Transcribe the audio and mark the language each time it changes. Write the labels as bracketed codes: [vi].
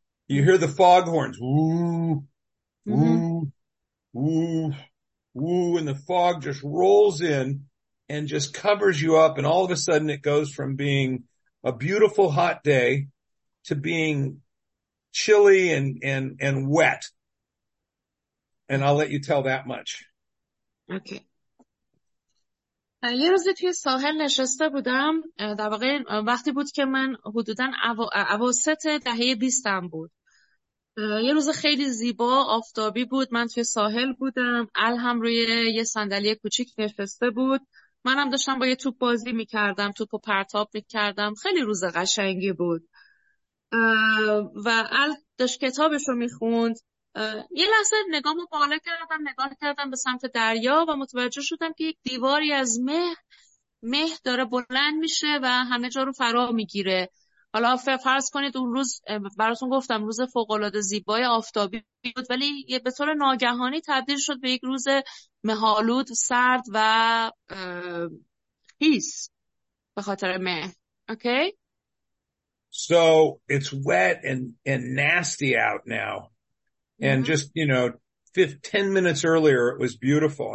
[en] you hear the fog horns, woo, woo, woo, woo, and the fog just rolls in and just covers you up. And all of a sudden it goes from being a beautiful hot day to being chilly and wet. And I'll let you tell that much. Okay. [fa] یه روزی توی ساحل نشسته بودم، در واقع وقتی بود که من حدوداً اواسط دهه 20 بود. یه روز خیلی زیبا آفتابی بود، من توی ساحل بودم، ال هم روی یه صندلی کوچیک نشسته بود، منم داشتم با یه توپ بازی میکردم، توپو پرتاب میکردم، خیلی روز قشنگی بود و ال داشت کتابش رو میخوند. یه لحظه نگامو بالا کردم، نگاه کردم به سمت دریا و متوجه شدم که یک دیواری از مه داره بلند میشه و همه جا رو فرا میگیره. حالا فرض کنید اون روز براتون گفتم روز فوق‌العاده زیبای آفتابی بود، ولی به طور ناگهانی تبدیل شد به یک روز مه‌آلود، سرد و خیس به خاطر مه. [en] Okay. So it's wet and nasty out now. And just, you know, 10 minutes earlier, it was beautiful.